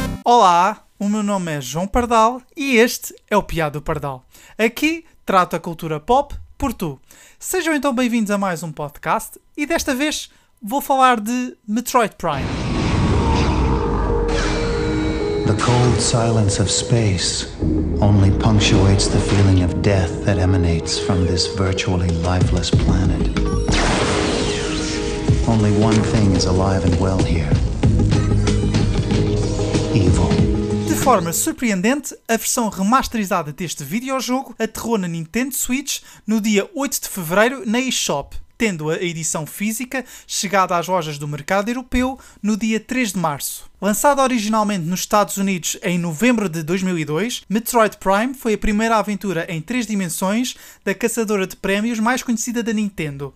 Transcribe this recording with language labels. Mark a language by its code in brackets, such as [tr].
[pt] Olá, o meu nome é João Pardal e este é o Piá do Pardal. Aqui trato a cultura pop por tu. Sejam então bem-vindos a mais um podcast e desta vez vou falar de Metroid Prime. [en] The cold silence of space only punctuates the feeling of death that emanates from this virtually lifeless planet. Only one thing is alive and well here. [pt] De forma surpreendente, a versão remasterizada deste videojogo aterrou na Nintendo Switch no dia 8 de Fevereiro na eShop, tendo a edição física chegada às lojas do mercado europeu no dia 3 de Março. Lançado originalmente nos Estados Unidos em novembro de 2002, Metroid Prime foi a primeira aventura em 3 dimensões da caçadora de prémios mais conhecida da Nintendo.